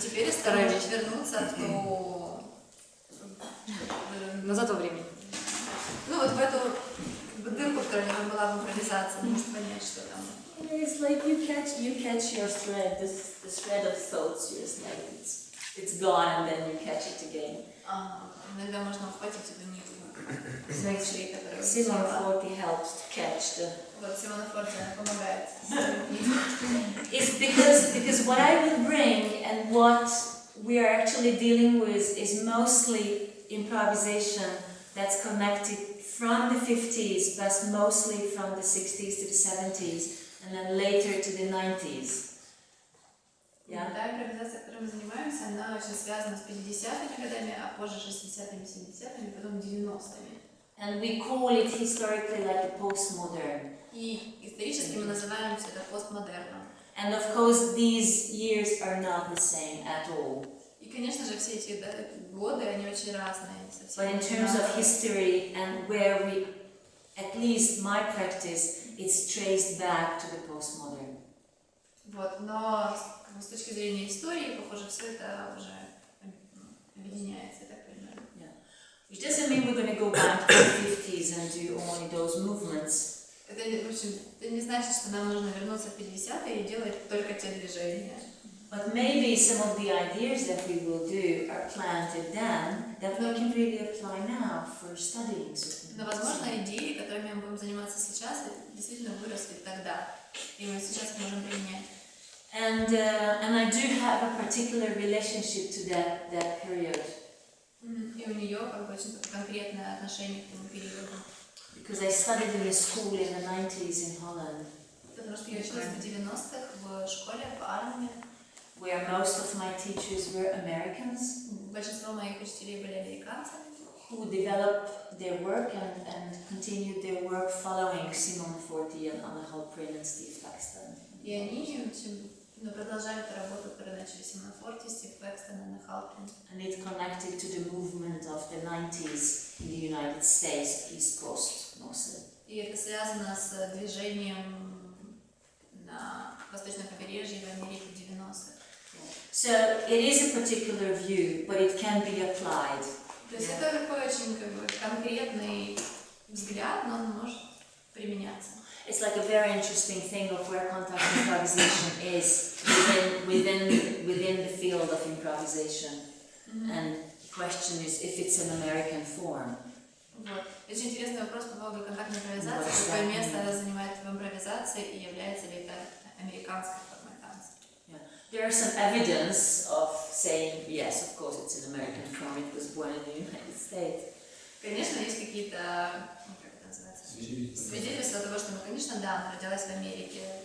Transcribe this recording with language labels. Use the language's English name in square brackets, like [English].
[Russian] Теперь стараюсь вернуться в то назад во времени. Ну вот в эту дырку, в которой она была в импровизации, нужно понять, что там. [English] It's like you catch your thread, the thread of thoughts. You're just like it's gone, and then you catch it again. [Russian] Иногда можно ухватить эту нить. [English] Simone Forte helps to catch the. [Russian] Вот Simone Forte помогает. [English] It's because what I will bring and what we are actually dealing with is mostly improvisation that's connected from the 50s, but mostly from the 60s to the 70s, and then later to the 90s. [Russian] Да, импровизация, которой мы занимаемся, она очень связана с 50-ми годами, а позже 60-ми, 70-ми, потом 90-ми. [English] And we call it historically like a postmodern. [Russian] И исторически мы называем все это постмодерном. [English] And of course these years are not the same at all. [Russian] И, конечно же, все эти годы, они очень разные. [English] But in terms of history and where we, at least my practice, it's traced back to the postmodern. [Russian] Вот, но... С точки зрения истории, похоже, все это уже объединяется, так понимаю. [English] Which doesn't mean we're going to go back to the 50s and do only those movements. [Russian] Это, в общем, это не значит, что нам нужно вернуться в 50-е и делать только те движения. [English] But maybe some of the ideas that we will do are planted then that we can really apply now for studying. [Russian] Но, возможно, идеи, которыми мы будем заниматься сейчас, действительно выросли тогда, и мы сейчас можем применять. [English] And I do have a particular relationship to that period. [Russian] И у неё как бы очень конкретное отношение к тому периоду. [English] Because I studied in a school in the 90s in Holland. [Russian] Потому что я училась в 90-х в школе в Арнеме. [English] Where most of my teachers were Americans. [Russian] Большинство моих учителей были американцами. [English] Who developed their work and continued their work following Simone Forte and Anna Halprin and Steve Paxton. [Russian] И они, в общем, продолжают эту работу, которую начали Симон Форте, Стив Пэкстон, Анна Халпин. [English] And it connected to the movement of the 90s in the United States, East Coast, mostly. [Russian] И это связано с движением на восточном побережье в Америке 90-х. [English] So it is a particular view, but it can be applied. [Russian] То есть это такой очень как бы конкретный взгляд, но он может применяться. [English] It's like a very interesting thing of where contact improvisation is within the field of improvisation. Mm-hmm. And the question is if it's an American form. [Russian] Вот. Очень интересный вопрос по поводу контактной импровизации. Какое место она занимает в импровизации и является ли это американской формой танца? [English] Yeah. There are some evidence of saying yes, of course it's an American form. It was born in the United States. [Russian] Конечно, есть какие-то, как это называется, свидетельства того, что, ну, конечно, да, она родилась в Америке.